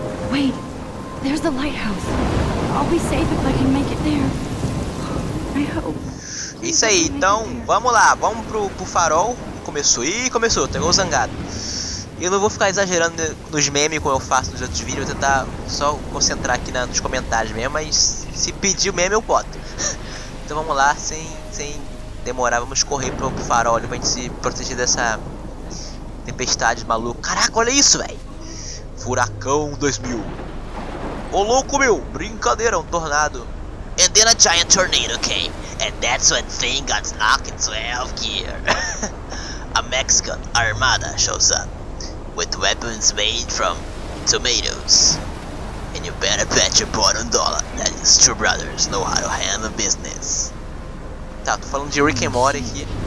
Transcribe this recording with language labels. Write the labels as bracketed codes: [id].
[en] Wait, there's the lighthouse. I'll be safe if I can make it there. I hope. [pt] Isso aí, então vamos lá, vamos pro farol. Começou, tô zangado. Eu não vou ficar exagerando nos memes como eu faço nos outros vídeos, vou tentar só concentrar aqui nos comentários mesmo, mas se pedir o meme eu boto. Então vamos lá, sem demorar, vamos correr pro farol ali pra gente se proteger dessa tempestade maluca. Caraca, olha isso, velho! Furacão 2000. Ô louco, meu! Brincadeira, um tornado. [en] And then a giant tornado came. And that's when thing got knocked into half gear. A Mexican armada shows up. With weapons made from tomatoes. And you better bet your bottom dollar that these two brothers know how to handle business. [pt] Tá, tô falando de Rick and Morty aqui.